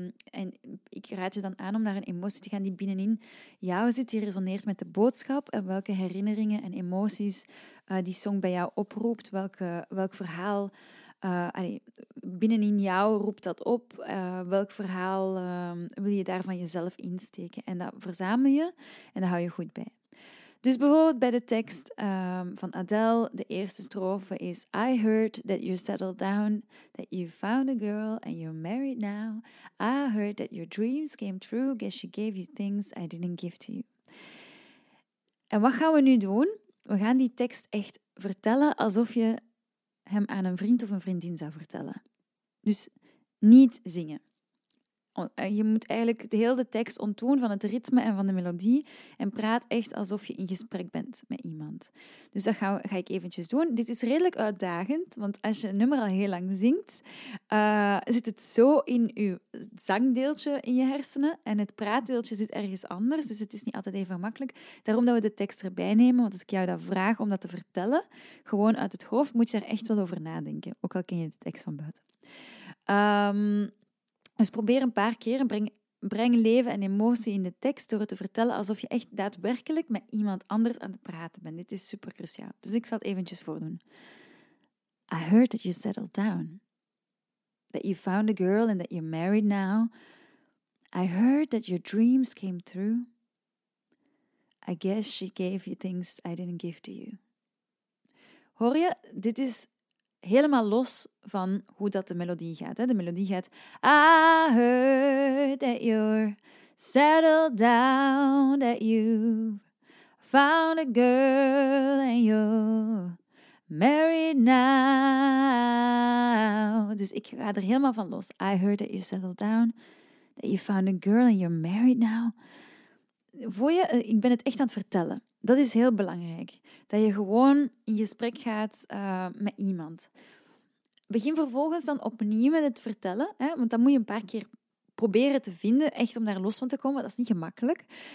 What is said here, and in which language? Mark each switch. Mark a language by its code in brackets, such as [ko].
[nl] En ik raad je dan aan om naar een emotie te gaan die binnenin jou zit, die resoneert met de boodschap. En welke herinneringen en emoties die song bij jou oproept. Welk verhaal binnenin jou roept dat op. Welk verhaal wil je daar van jezelf insteken? En dat verzamel je en dat hou je goed bij. Dus bijvoorbeeld bij de tekst van Adele, de eerste strofe is [en] I heard that you settled down, that you found a girl and you're married now. I heard that your dreams came true, guess she gave you things I didn't give to you. [nl] En wat gaan we nu doen? We gaan die tekst echt vertellen alsof je hem aan een vriend of een vriendin zou vertellen. Dus niet zingen. Je moet eigenlijk de hele tekst ontdoen van het ritme en van de melodie en praat echt alsof je in gesprek bent met iemand. Dus dat ga ik eventjes doen. Dit is redelijk uitdagend, want als je een nummer al heel lang zingt, zit het zo in je zangdeeltje in je hersenen en het praatdeeltje zit ergens anders, dus het is niet altijd even makkelijk. Daarom dat we de tekst erbij nemen, want als ik jou dat vraag om dat te vertellen, gewoon uit het hoofd, moet je daar echt wel over nadenken, ook al ken je de tekst van buiten. Dus probeer een paar keer en breng leven en emotie in de tekst door het te vertellen alsof je echt daadwerkelijk met iemand anders aan het praten bent. Dit is super cruciaal. Dus ik zal het eventjes voordoen. [en] I heard that you settled down. That you found a girl and that you're married now. I heard that your dreams came through. I guess she gave you things I didn't give to you. [nl] Hoor je? Dit is helemaal los van hoe dat de melodie gaat. Hè? De melodie gaat... [en] I heard that you're settled down, that you found a girl and you're married now. [nl] Dus ik ga er helemaal van los. [en] I heard that you settled down, that you found a girl and you're married now. [nl] Voel je, ik ben het echt aan het vertellen. Dat is heel belangrijk. Dat je gewoon in gesprek gaat met iemand. Begin vervolgens dan opnieuw met het vertellen. Hè? Want dan moet je een paar keer proberen te vinden, echt om daar los van te komen. Dat is niet gemakkelijk.